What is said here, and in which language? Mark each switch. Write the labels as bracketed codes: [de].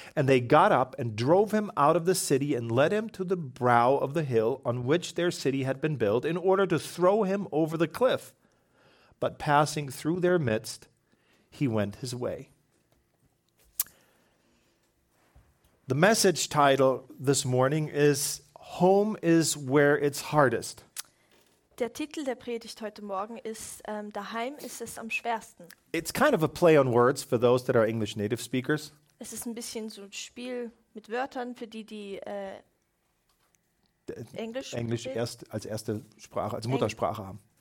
[en] And they got up and drove him out of the city and led him to the brow of the hill on which their city had been built, in order to throw him over the cliff. But passing through their midst, he went his way." The message title this morning is "Home is where it's hardest." [de] Der Titel der Predigt heute Morgen ist "Daheim ist es am schwersten." [en] It's kind of a play on words for those that are English native speakers. [de] Es ist ein bisschen so ein Spiel mit Wörtern für die, die Englisch erst als erste Sprache, als Muttersprache haben.